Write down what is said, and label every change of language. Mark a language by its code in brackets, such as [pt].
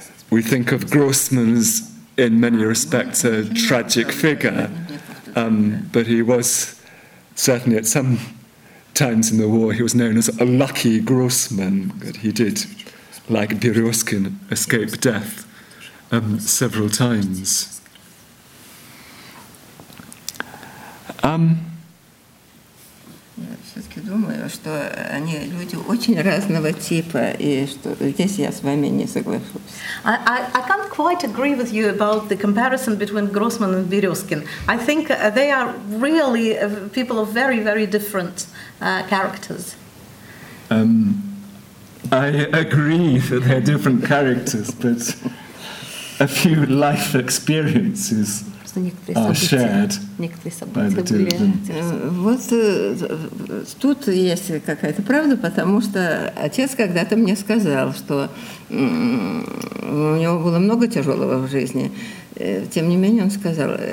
[en] We think of Grossman's, in many respects, a tragic figure, but he was certainly at some times in the war, he was known as a lucky Grossman, that he did, like Berezkin, escape death several times. [ru] Я все-таки думаю, что они люди очень разного типа, и что здесь я с вами не соглашусь. [en] I can't quite agree with you about the comparison between Grossman and Berezkin. I think they are really people of very, very different characters. I agree that they're different characters, but a few life experiences [ru] Вот тут есть какая-то правда, потому что отец когда-то мне сказал, что у него было много тяжелого в жизни. Тем не менее, он сказал,